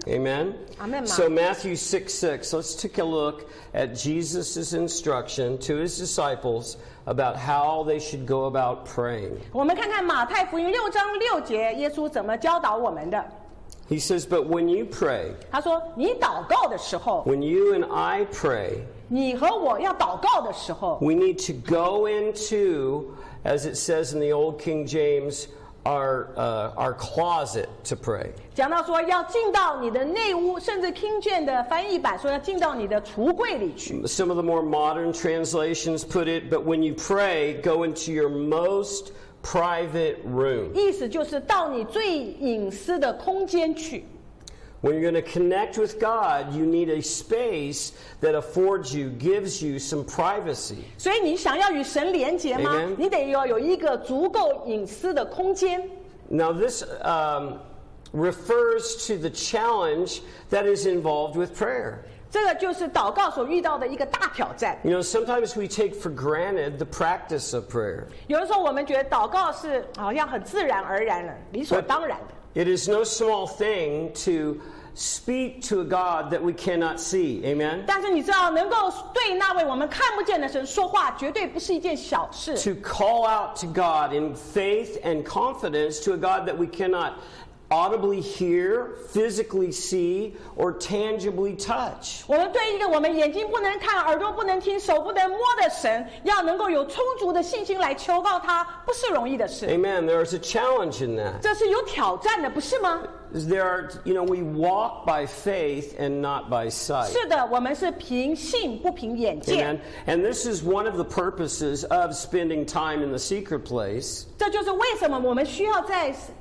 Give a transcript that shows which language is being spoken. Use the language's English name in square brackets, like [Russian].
[English] Amen. Amen. So Matthew 6:6, let's take a look at Jesus' instruction to his disciples about how they should go about praying. [Chinese] 我们看看马太福音六章六节，耶稣怎么教导我们的。 [English] He says, "But when you pray," [Chinese] 他说你祷告的时候 [English] ，when you and I pray. [Chinese] 你和我要祷告的时候 [English] We need to go into, as it says in the Old King James, our closet to pray. [Chinese] 讲到说要进到你的内屋，甚至 King James 的翻译版说要进到你的橱柜里去。 [English] Some of the more modern translations put it, but when you pray, go into your most private room. [Chinese] 意思就是到你最隐私的空间去。 [English] When you're going to connect with God, you need a space that affords you, gives you some privacy. [Chinese] 所以你想要与神连接吗？ [English] Amen? [Chinese] 你得要有一个足够隐私的空间。 [English] Now this refers to the challenge that is involved with prayer. [Chinese] 这个就是祷告所遇到的一个大挑战。 [English] You know, sometimes we take for granted the practice of prayer. [Chinese] 有的时候我们觉得祷告是好像很自然而然的，理所当然的。 [English] It is no small thing to speak to a God that we cannot see. Amen. [Chinese] 但是你知道，能够对那位我们看不见的神说话，绝对不是一件小事。 [English] To call out to God in faith and confidence to a God that we cannot audibly hear, physically see, or tangibly touch. [Chinese] 我们对一个我们眼睛不能看、耳朵不能听、手不能摸的神，要能够有充足的信心来求告他，不是容易的事。Amen. [English] There is a challenge in that. [Chinese] 这是有挑战的，不是吗？ [English] There are, you know, we walk by faith and not by sight. [Chinese] 是的，我们是凭信不凭眼见。Amen. [English] And this is one of the purposes of spending time in the secret place. [Chinese] 这就是为什么我们需要在